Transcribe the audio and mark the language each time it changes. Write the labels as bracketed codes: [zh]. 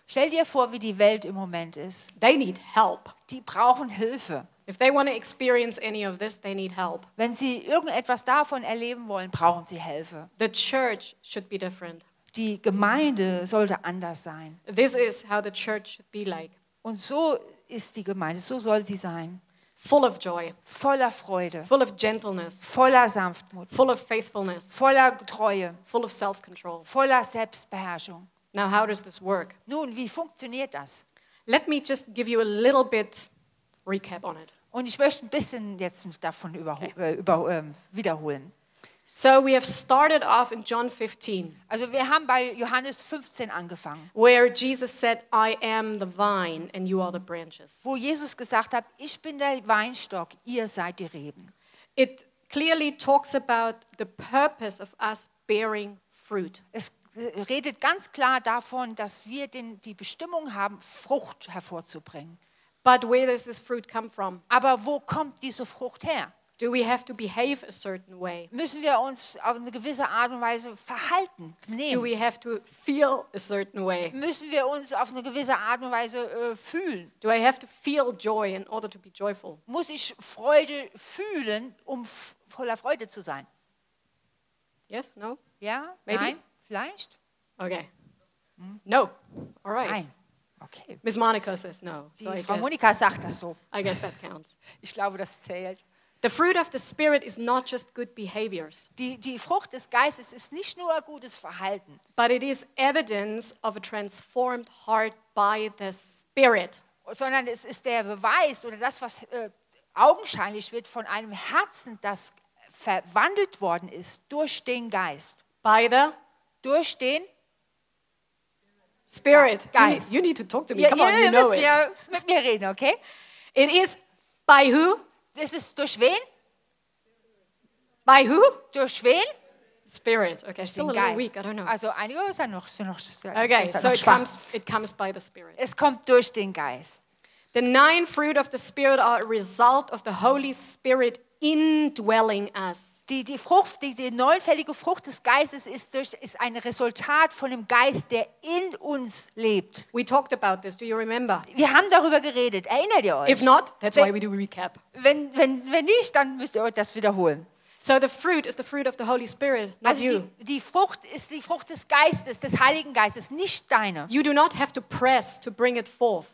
[de] Stell dir vor, wie die Welt im Moment ist. [en] They need help. [de] Die brauchen Hilfe. [en] If they want to experience any of this, they need help. [de] Wenn sie irgendetwas davon erleben wollen, brauchen sie Hilfe. [en] The church should be different. [de] Die Gemeinde sollte anders sein. [en] This is how the church should be like. [de] Und so ist die Gemeinde, so soll sie sein. [en] Full of joy. [de] Voller Freude. [en] Full of gentleness. [de] Voller Sanftmut. [en] Full of faithfulness. [de] Voller Treue. [en] Full of self-control. [de] Voller Selbstbeherrschung. [en] Now how does this work? [de] Nun, wie funktioniert das? [en] Let me just give you a little bit recap on it. [de] Und ich möchte ein bisschen jetzt davon wiederholen. [en] So we have started off in John 15. [de] Also wir haben bei Johannes 15 angefangen. [en] Where Jesus said, I am the vine and you are the branches. [de] Wo Jesus gesagt hat, ich bin der Weinstock, ihr seid die Reben. [en] It clearly talks about the purpose of us bearing fruit. [de] Es redet ganz klar davon, dass wir die Bestimmung haben, Frucht hervorzubringen. [en] But where does this fruit come from? [de] Aber wo kommt diese Frucht her? [en] Do we have to behave a certain way? [de] Müssen wir uns auf eine gewisse Art und Weise verhalten? Nehmen? [en] Do we have to feel a certain way? [de] Müssen wir uns auf eine gewisse Art und Weise fühlen? [en] Do I have to feel joy in order to be joyful? [de] Muss ich Freude fühlen, um voller Freude zu sein? [en] Yes, no? [de] Ja, [en] maybe? [de] Nein, vielleicht? [en] Okay. No. All right. [de] Nein. Okay. [en] Miss Monica says no. [de] Frau Monika sagt das so. [en] I guess that counts. [de] Ich glaube, das zählt. [en] The fruit of the spirit is not just good behaviors. [de] Die Frucht des Geistes ist nicht nur gutes Verhalten. [en] But it is evidence of a transformed heart by the spirit. [de] Sondern es ist der Beweis oder das, was augenscheinlich wird von einem Herzen, das verwandelt worden ist durch den Geist. [en] By the? [de] Durch den [en] Spirit. [de] Ja, Geist. [en] You need to talk to me. Come on, you know it. [de] Ja, mit mir reden, okay? [en] It is by who? [de] Es ist durch wen? [en] By who? [de] Durch wen? [en] Spirit. Okay, still a little weak, I don't know. [de] Also einige sind noch schwach. [en] Okay, so it comes by the Spirit. [de] Es kommt durch den Geist. [en] The nine fruit of the Spirit are a result of the Holy Spirit indwelling us. [de] Die neunfällige Frucht des Geistes ist ein Resultat von dem Geist, der in uns lebt. [en] We talked about this. Do you remember? [de] Wir haben darüber geredet. Erinnert ihr euch? [en] If not, that's why we do recap. [de] Wenn nicht, dann müsst ihr euch das wiederholen. [en] So the fruit is the fruit of the Holy Spirit, not [de] also [en] you. [de] Die Frucht ist die Frucht des Geistes, des Heiligen Geistes, nicht deine. [en] You do not have to press to bring it forth.